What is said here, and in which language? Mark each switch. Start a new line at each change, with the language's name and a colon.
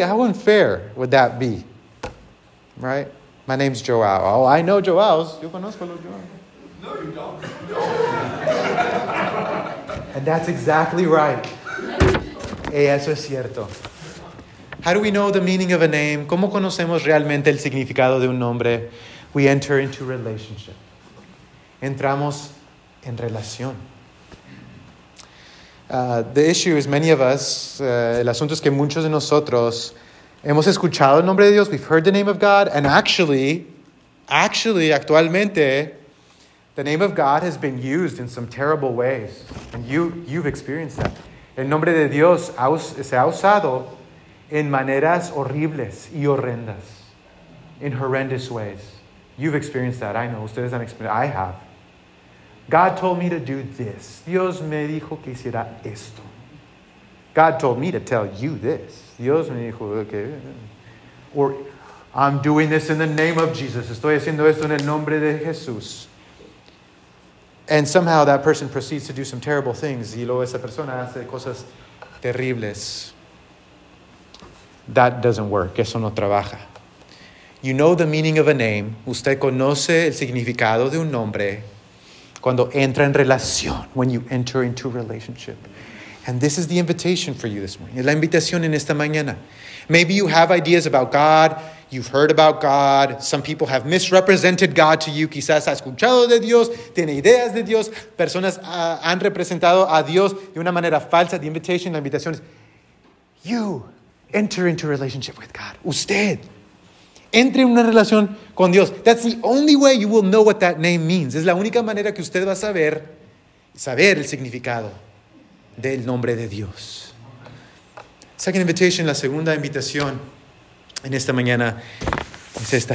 English: How unfair would that be? Right? My name's Joao. Oh, I know Joao's.
Spanish: Yo conozco a los Joao's.
English: No, you don't. And that's exactly right.
Spanish: Eso es cierto.
English: How do we know the meaning of a name?
Spanish: ¿Cómo conocemos realmente el significado de un nombre?
English: We enter into relationship.
Spanish: Entramos en relación.
English: The issue is many of us,
Spanish: el asunto es que muchos de nosotros hemos escuchado el nombre de Dios,
English: we've heard the name of God, and actually,
Spanish: actualmente,
English: the name of God has been used in some terrible ways. And you've experienced that.
Spanish: El nombre de Dios se ha usado en maneras horribles y horrendas.
English: In horrendous ways. You've experienced that, I know.
Spanish: Ustedes han
English: experienced that. I have. God told me to do this.
Spanish: Dios me dijo que hiciera esto.
English: God told me to tell you this.
Spanish: Dios me dijo,
English: okay. Or, I'm doing this in the name of Jesus.
Spanish: Estoy haciendo esto en el nombre de Jesús.
English: And somehow that person proceeds to do some terrible things.
Spanish: Y luego esa persona hace cosas terribles.
English: That doesn't work.
Spanish: Eso no trabaja.
English: You know the meaning of a name.
Spanish: Usted conoce el significado de un nombre. Cuando entra en relación.
English: When you enter into relationship. And this is the invitation for you this morning.
Spanish: La invitación en esta mañana.
English: Maybe you have ideas about God. You've heard about God. Some people have misrepresented God to you.
Spanish: Quizás ha escuchado de Dios. Tiene ideas de Dios. Personas han representado a Dios de una manera falsa.
English: The invitation,
Spanish: la invitación es,
English: you enter into relationship with God.
Spanish: Usted. Entre en una relación con Dios.
English: That's the only way you will know what that name means.
Spanish: Es la única manera que usted va a saber el significado del nombre de Dios.
English: Second invitation,
Spanish: la segunda invitación en esta mañana es esta.